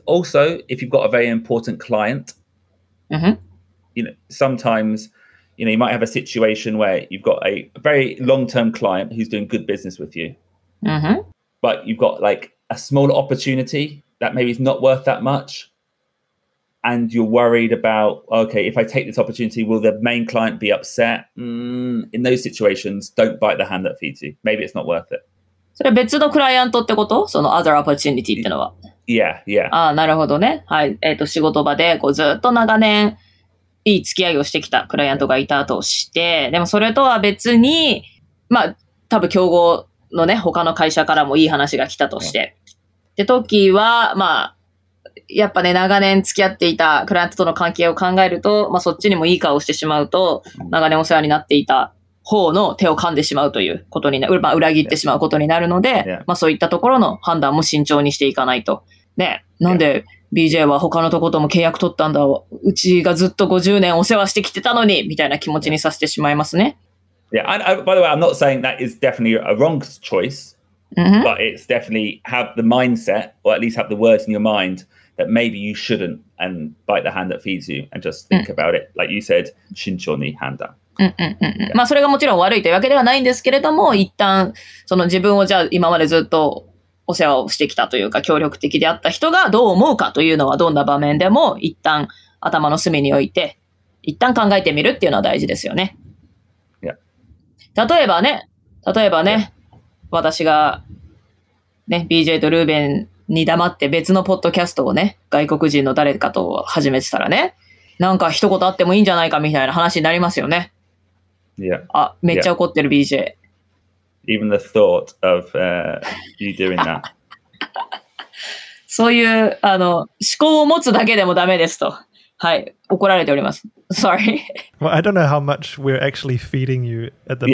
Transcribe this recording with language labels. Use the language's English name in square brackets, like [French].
[English] Also, if you've got a very important client. You know, sometimes, you know, you might have a situation where you've got a very long-term client who's doing good business with you. Mm-hmm. But you've got like a small opportunity that maybe is not worth that much. And you're worried about, okay, if I take this opportunity, will the main client be upset? In those situations, don't bite the hand that feeds you. Maybe it's not worth it. [Japanese] それ別のクライアントってこと？その [English] other opportunity [Japanese] ってのは。 [English] Yeah, yeah. [Japanese] ああ、なるほどね。はい。仕事場でこうずっと長年、いい付き合いをしてきたクライアントがいたとして、でもそれとは別に、まあ、多分競合のね、他の会社からもいい話が来たとして。で、時は、まあ、やっぱね、長年付き合っていたクライアントとの関係を考えると、まあそっちにもいい顔をしてしまうと、長年お世話になっていた方の手を噛んでしまうということになる、まあ裏切ってしまうことになるので、まあそういったところの判断も慎重にしていかないと。ね。なんで BJ は他のとことも契約取ったんだ、うちがずっと50年お世話してきてたのにみたいな気持ちにさせてしまいますね。 [English] Yeah, and by the way, I'm not saying that is definitely a wrong choice,、 mm-hmm. but it's definitely have the mindset, or at least have the words in your mind, that maybe you shouldn't and bite the hand that feeds you and just think、mm-hmm. about it. Like you said, [Japanese] 慎重に判断。まあそれがもちろん悪いというわけではないんですけれども、一旦その自分をじゃあ今までずっとお世話をしてきたというか協力的であった人がどう思うかというのはどんな場面でも一旦頭の隅に置いて一旦考えてみるっていうのは大事ですよね。例えばね、 [English] yeah. [Japanese] 私が、ね、BJ とルーベンに黙って別のポッドキャストをね、外国人の誰かと始めてたらね、なんか一言あってもいいんじゃないかみたいな話になりますよね。 [English] Yeah. [Japanese] あ、めっちゃ怒ってる BJ。 [English] Yeah. Even the thought of、you doing that. [Japanese] そういう、あの、思考を持つだけでもダメですと。はい、怒られております。 [English] Sorry. Well, I don't know how much we're actually feeding you at the moment.